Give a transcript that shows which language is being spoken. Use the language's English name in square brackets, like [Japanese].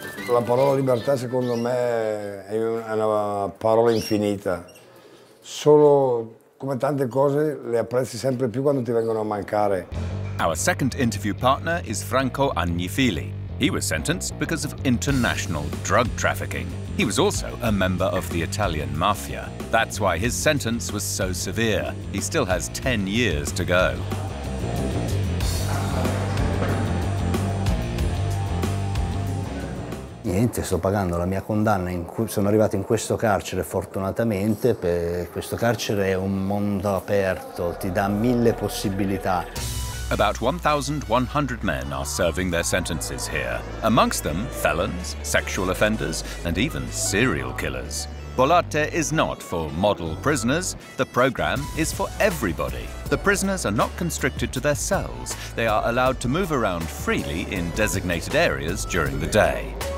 [Italian] La parola libertà secondo me è una parola infinita. Solo come tante cose le apprezzi sempre più quando ti vengono a mancare. [English] Our second interview partner is Franco Agnifili. He was sentenced because of international drug trafficking. He was also a member of the Italian mafia. That's why his sentence was so severe. He still has 10 years to go. [Italian] Niente, sto pagando la mia condanna. Sono arrivato in questo carcere, fortunatamente. Questo carcere è un mondo aperto, ti dà mille possibilità. [English] About 1,100 men are serving their sentences here. Amongst them, felons, sexual offenders, and even serial killers. Bollate is not for model prisoners. The program is for everybody. The prisoners are not constricted to their cells. They are allowed to move around freely in designated areas during the day.